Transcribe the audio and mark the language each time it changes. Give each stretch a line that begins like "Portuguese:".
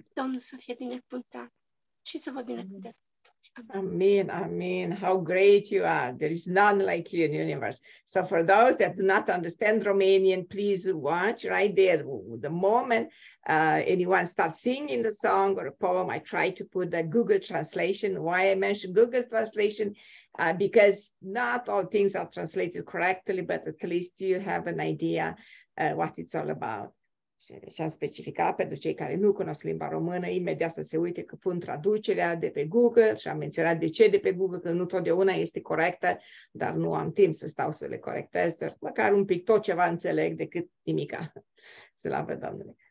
Romanian: Domnul să fie binecuvântat și să vă binecuvânteze.
English: Amen, amen. How great you are. There is none like you in the universe. So for those that do not understand Romanian, please watch right there. The moment anyone starts singing the song or a poem, I try to put the Google translation. Why I mention Google translation? Because not all things are translated correctly, but at least you have an idea what it's all about.
Romanian: Și am specificat pentru cei care nu cunosc limba română, imediat să se uite că pun traducerea de pe Google și am menționat de ce de pe Google, că nu totdeauna este corectă, dar nu am timp să stau să le corectez, dar măcar un pic tot ceva înțeleg decât nimica. Slavă Domnului!